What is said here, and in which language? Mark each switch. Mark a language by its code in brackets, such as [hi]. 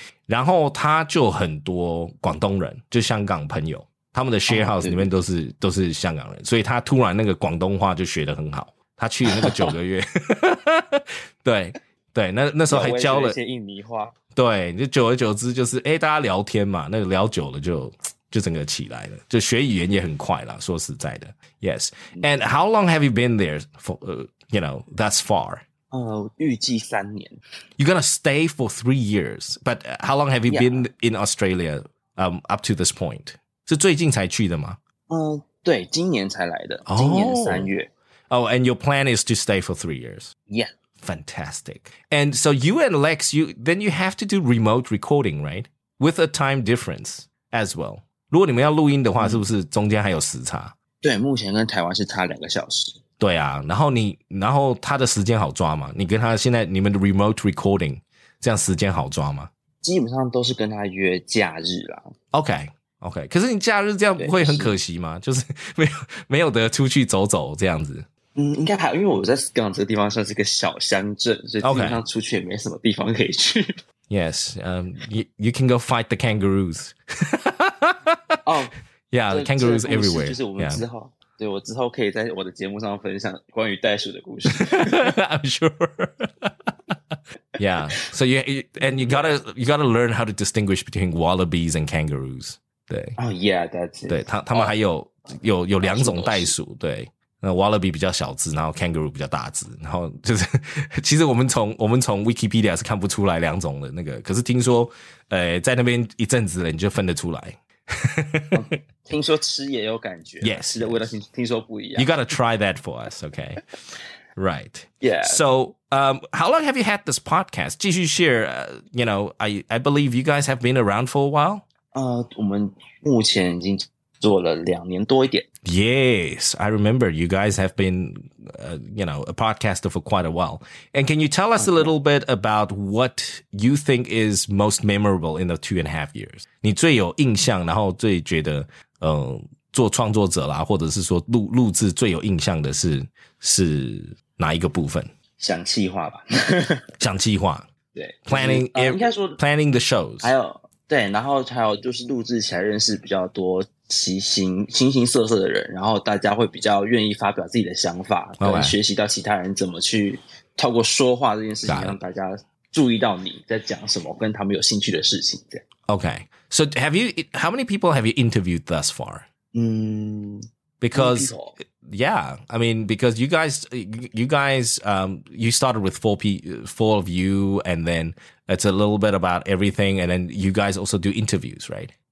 [zh] 然后他就很多广东人，就香港朋友，他们的 share house 里面都是香港人，所以他突然那个广东话就学得很好。他去那个九个月，对，对，那时候还教了一些印尼话。对，就久而久之就是，大家聊天嘛，那个聊久了就整个起来了，就学语言也很快啦，说实在的。 [en] Yes. And how long have you been there for, you know, thus far? [zh] 预计三年。 [en] You're gonna stay for 3 years, but how long have you been in Australia, up to this point? [zh] 是最近才去的吗？对，今年才来的，今年三月。 [en] Oh, and your plan is to stay for 3 years. Yeah. Fantastic. And so you and Lex, you have to do remote recording, right? With a time difference as well. [zh] 如果你们要录音的话，是不是中间还有时差？对，目前跟台湾是差2小时。对啊，然后他的时间好抓吗？你跟他现在你们的 remote recording 这样时间好抓吗？基本上都是跟他约假日啦。 OK, 可是你假日这样不会很可惜吗？就是没有得出去走走这样子。应该还好，因为我在 Scone 这个地方算是个小乡镇，所以基本上出去也没什么地方可以去。 [en] Okay. Yes, you can go fight the kangaroos. Yeah, the kangaroos everywhere. [zh] 就是我们之后，对，我之后可以在我的节目上分享关于袋鼠的故事。 [en] I'm sure. Yeah, so you gotta learn how to distinguish between wallabies and kangaroos. [zh] 对 [en] yeah, that's it. [zh] 他们还有两种袋鼠，对。那 wallaby 比较小只，然后 kangaroo 比较大只。然后就是其实我们从 Wikipedia 是看不出来两种的那个，可是听说在那边一阵子了你就分得出来。听说吃也有感觉。 [en] Yes. [zh] 吃的味道听说不一样。 [en] You gotta try that for us, okay? Right. Yeah. So, how long have you had this podcast? 继续 share, you know, I believe you guys have been around for a while. [zh] 我们目前已经做了2年多一点。 [en] Yes, I remember you guys have been, a podcaster for quite a while. And can you tell us a little bit about what you think is most memorable in the 2.5 years? [zh] 你最有印象，然后最觉得，做创作者啦，或者是说录制最有印象的是哪一个部分？想企划吧。想企划。对。 [en] Planning, [zh] 应该说 [en] planning the shows. [zh] 还有。对，然后还有就是录制起来认识比较多形形色色的人，然后大家会比较愿意发表自己的想法，跟学习到其他人怎么去透过说话这件事情让大家注意到你在讲什么，跟他们有兴趣的事情这样。 [en] Okay, so how many people have you interviewed thus far? Because yeah, I mean because you guys you started with four of you and then. It's a little bit about everything, and then you guys also do interviews, right?